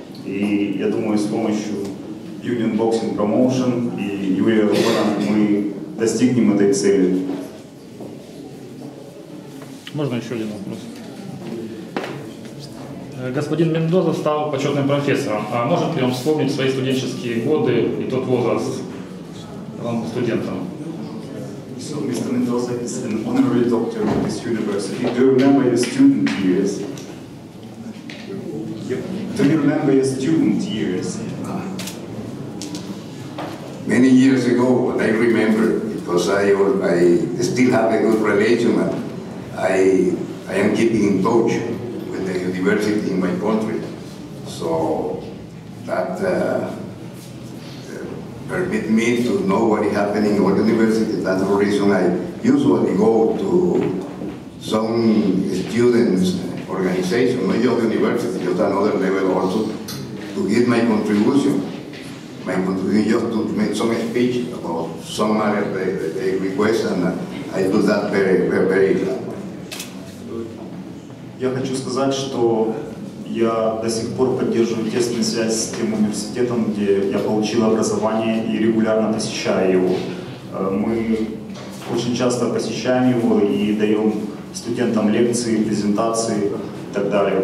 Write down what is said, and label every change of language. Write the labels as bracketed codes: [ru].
[ru] И я думаю, с помощью Union Boxing Promotion и Юрия Рубана мы достигнем этой цели. Можно еще один вопрос? Господин Мендоза стал почетным профессором. А может ли он вспомнить свои студенческие годы и тот возраст? [en] So Mr. Mendoza is an honorary doctor of this university. Do you remember your student years? Do you remember your student years? Many years ago, but I remember because I still have a good relation. I am keeping in touch with the university in my country. So that permit me to know what is happening in our university. That's the reason I usually go to some students' organization, not just university, just another level also, to give my contribution. My contribution just to make some speech about some matter they request, and I do that very, very, very glad. [ru] Я хочу сказать, что я до сих пор поддерживаю тесную связь с тем университетом, где я получил образование и регулярно посещаю его. Мы очень часто посещаем его и даем студентам лекции, презентации и так далее.